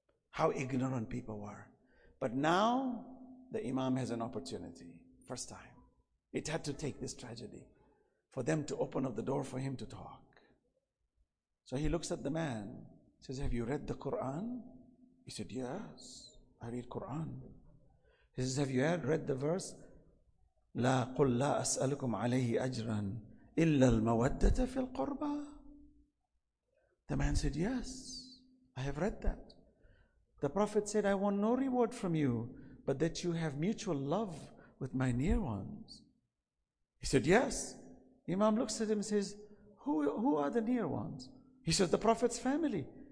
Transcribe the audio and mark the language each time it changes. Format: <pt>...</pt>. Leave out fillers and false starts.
<en>How ignorant people were. But now the Imam has an opportunity, first time. It had to take this tragedy for them to open up the door for him to talk. So he looks at the man, says, have you read the Quran? He said, yes, I read Quran. He says, have you read the verse?</en> <ar>لا قل لا أسألكم عليه أجرا إلا المودة في القربة.</ar> <en>The man said, yes, I have read that. The Prophet said, I want no reward from you, but that you have mutual love with my near ones. He said, yes. Imam looks at him and says, who are the near ones? He says, the Prophet's family.</en>